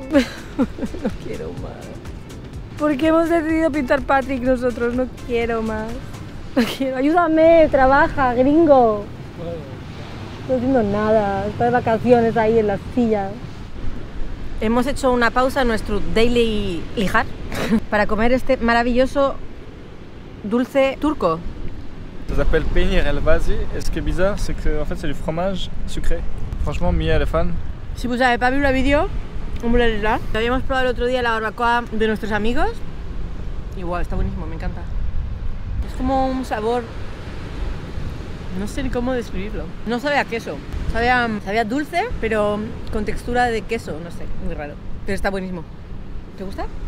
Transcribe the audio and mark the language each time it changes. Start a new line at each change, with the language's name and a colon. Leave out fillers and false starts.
Spanish: No quiero más. ¿Por qué hemos decidido pintar Patrick nosotros? No quiero más. No quiero. Ayúdame, trabaja, gringo. No estoy haciendo nada. Está de vacaciones ahí en la silla. Hemos hecho una pausa en nuestro daily lijar para comer este maravilloso dulce turco.
French: Ça s'appelle peynir elbasi et ce qui est bizarre c'est que en fait c'est du fromage sucré. Franchement, Mia elle est fan. Si vous avez pas vu la vidéo, on vous la dira.
Spanish: Lo habíamos probado el otro día la barbacoa de nuestros amigos. Y wow, está buenísimo, me encanta. Es como un sabor, no sé ni cómo describirlo. No sabe a queso. Sabía dulce, pero con textura de queso, no sé, muy raro. Pero está buenísimo. ¿Te gusta?